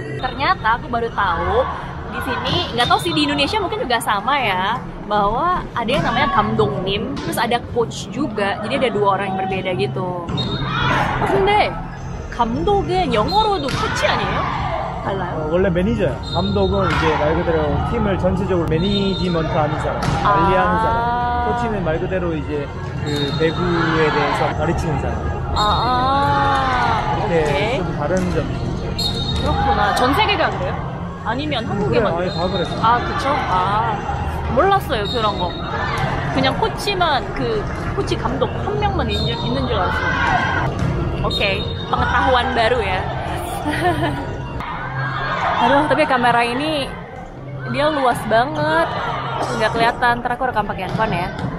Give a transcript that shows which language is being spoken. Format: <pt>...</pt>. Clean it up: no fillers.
<id>Ternyata aku baru tahu di sini, enggak tahu sih di Indonesia mungkin juga sama ya, bahwa ada yang namanya Gamdongnim, terus ada coach juga. Jadi ada dua orang yang berbeda gitu.</id> <ko>Oh, 근데 감독은 영어로도 코치 아니에요? 달라요? 어, 원래 매니저야. 감독은 이제 말 그대로 팀을 전체적으로 매니지먼트 하는 사람. 관리하는 사람. 코치는 말 그대로 이제 그 배구에 대해서 가르치는 사람. 아, 아 이렇게 오케이. 좀 다른 점. 그렇구나. 전 세계가 그래요? 아니면 한국에만 그래, 그래요? 아니, 다 그래. 아, 그쵸? 아, 몰랐어요, 그런 거. 그냥 코치만, 그 코치 감독 한 명만 있는 줄 알았어요. 오케이. 방탄</ko> <id>baru ya.</id> <ko>아니, 근데 카메라</ko> <id>ini dia luas banget.</id> <ko>그냥</ko> <id>kelihatan. Entar aku rekam pakai handphone ya.</id>